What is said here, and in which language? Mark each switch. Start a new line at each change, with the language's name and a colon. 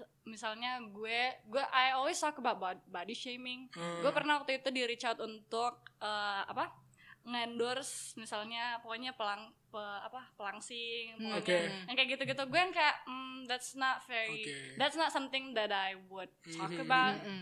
Indonesian: Misalnya gue
English: I always talk about body shaming.
Indonesian: Gue pernah waktu itu di reach out untuk nge-endorse misalnya pokoknya pelangsing, yang kayak gitu-gitu. Gue yang kayak
English: that's not very, that's not something that I would talk about.